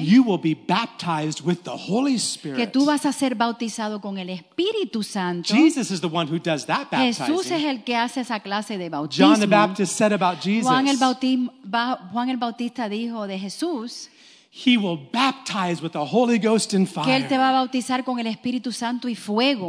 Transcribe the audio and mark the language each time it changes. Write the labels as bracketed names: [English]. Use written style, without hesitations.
[English] you will be baptized with the Holy Spirit. [Spanish] Que tú vas a ser bautizado con el Espíritu Santo. [English] Jesus is the one who does that baptizing. [Spanish] Jesús es el que hace esa clase de bautismo. [English] John the Baptist said about Jesus. [Spanish] Juan el Bautista dijo de Jesús. [English] He will baptize with the Holy Ghost and fire. [Spanish] Que él te va a bautizar con el Espíritu Santo y fuego.